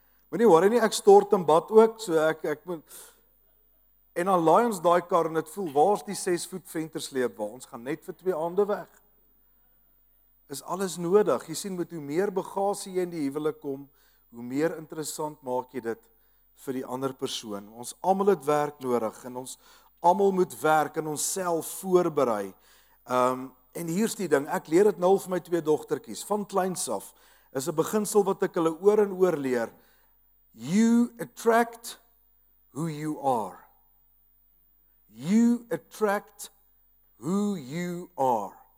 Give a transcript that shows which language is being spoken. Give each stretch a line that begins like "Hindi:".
Afrikaans: Moenie worry nie, ek stort in bad ook, so ek moet... En dan laai ons daai kar en dit voel, waar is die 6-voet ventersleep waar? Ons gaan net vir twee aande weg. Is alles nodig. Jy sien, met hoe meer bagasie jy in die huwelik kom, hoe meer interessant maak jy dit vir die ander persoon. Ons almal het werk nodig en ons almal moet werk en ons self voorberei. En hier's die ding, ek leer dit nou vir my twee dogtertjies, van kleins af, is 'n beginsel wat ek hulle oor en oor leer.
English: You attract who you are. You attract who you are.